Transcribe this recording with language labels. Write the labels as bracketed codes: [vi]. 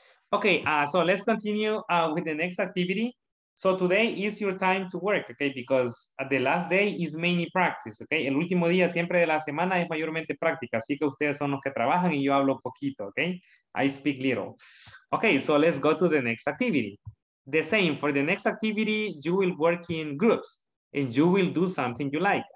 [en] Ok, so let's continue with the next activity. So today is your time to work, okay? Because the last day is mainly practice, okay? [es] El último día siempre de la semana es mayormente práctica, así que ustedes son los que trabajan y yo hablo poquito, okay? [en] I speak little. Okay, so let's go to the next activity. The same, for the next activity, you will work in groups and you will do something you like.